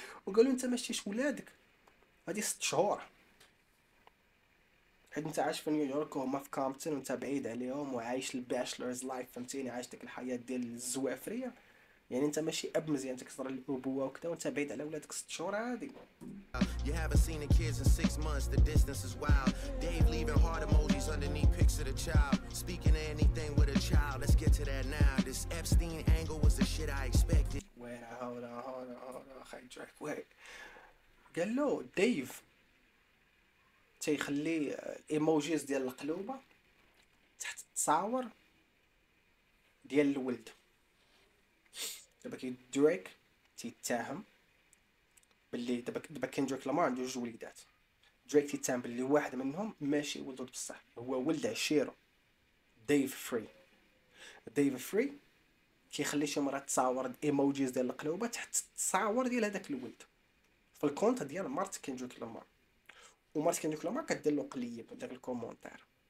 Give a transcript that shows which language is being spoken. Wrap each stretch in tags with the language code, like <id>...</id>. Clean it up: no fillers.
<ar>وقال له انت ما شتيش ولادك هادي 6 شهور، حيت انت عايش في نيويورك وهما في كامبتون وانت بعيد عليهم وعايش الباشلرز لايف، فهمتيني؟ عايش ديك الحياة ديال الزوافرية، يعني انت ماشي اب مزيان تكسر الابوة وكذا وانت بعيد على ولادك 6 شهور عادي.</ar> <en>You haven't seen the kids in 6 months, the distance is wild. Dave leaving heart emojis underneath pics of the child. Speaking of anything with a child, let's get to that now. This Epstein angle was the shit I expected. Wait, hold on,</en> <ar>خي</ar> <en>دريك wait.</en> <ar>قال له ديف تيخلي الايموجيز ديال القلوبه تحت التصاور ديال الولد. دابا كي دريك تيتهم باللي دابا كيندريك لامار عنده 2 وليدات، دريك تيتهم باللي واحد منهم ماشي ولدو بصح، هو ولد عشيرو ديف فري كيخلي شي مرات تصاور الايموجيز ديال القلوبه تحت التصاور ديال هذاك الولد في الكونت ديال مارت كيندريك لامار، ومارس كان يقول ما كدير له قليب داك الكومونتير.</ar>